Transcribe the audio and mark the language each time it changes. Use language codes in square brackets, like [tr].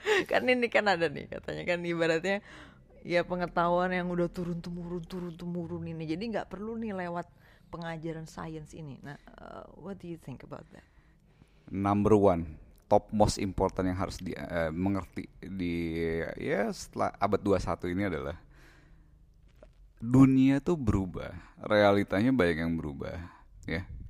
[id] Kan ini kan ada nih, katanya kan ibaratnya ya pengetahuan yang udah turun-temurun ini. Jadi gak perlu nih lewat pengajaran sains ini. [en] Nah, what do you think about that? Number one, top most important [id] yang harus dimengerti di ya setelah abad 21 ini adalah dunia tuh berubah, realitanya banyak yang berubah ya.